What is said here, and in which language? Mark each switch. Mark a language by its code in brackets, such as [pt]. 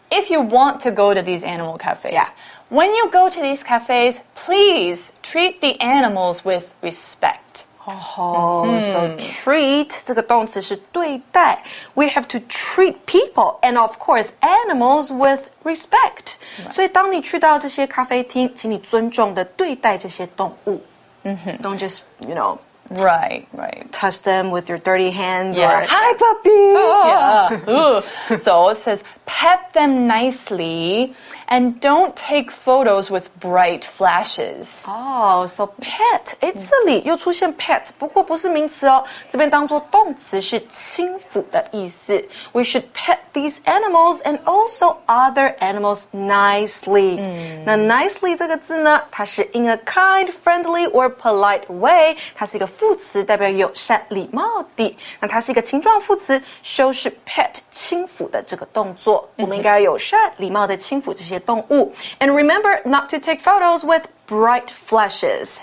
[en] If you want to go to these animal cafes,、 yeah. when you go to these cafes, please treat the animals with respect. [zh] Oh,、mm-hmm. [en] so treat, [zh] 这个动词是对待。 [en] We have to treat people and of course animals with respect.、Right. [zh] 所以当你去到这些咖啡厅请你尊重地对待这些动物。 Mm-hmm. [en] Don't just, you know... Right, right. Touch them with your dirty hands、 yeah. or, hi puppy!、 Oh, yeah. So it says, pet them nicely and don't take photos with bright flashes. [zh] Oh, so pet, 诶这里又出现 pet, 不过不是名词哦。这边当作动词是轻抚的意思。 [en] We should pet these animals and also other animals nicely.、 Mm. [zh] 那 nicely 这个字呢它是 [en] in a kind, friendly or polite way, [zh] 它是一个副词代表友善礼貌的那它是一个情状副词修饰 pet 轻抚的这个动作我们应该友善礼貌的轻抚这些动物 [en] And remember not to take photos with bright flashes